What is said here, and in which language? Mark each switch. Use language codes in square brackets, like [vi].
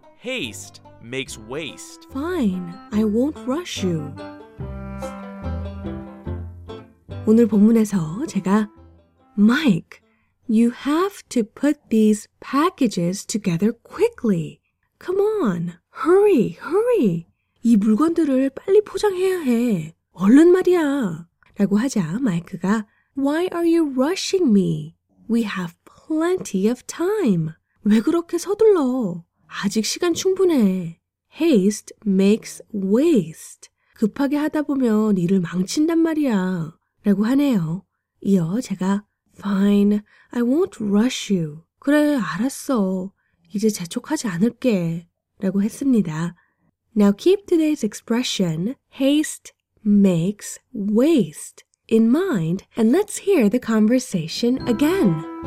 [en] Haste makes waste. Fine, I won't rush you. [ko] 오늘 본문에서 제가 [en] Mike, you have to put these packages together quickly. Come on, hurry, hurry. [ko] 이 물건들을 빨리 포장해야 해. 얼른 말이야. 라고 하자 마이크가 [en] Why are you rushing me? We have plenty of time. [ko] 왜 그렇게 서둘러? 아직 시간 충분해. [en] Haste makes waste. [ko] 급하게 하다 보면 일을 망친단 말이야. 라고 하네요. 이어 제가 [en] Fine, I won't rush you. [ko] 그래, 알았어. 이제 재촉하지 않을게. 라고 했습니다. [en] Now keep today's expression, haste makes waste, in mind, and let's hear the conversation again.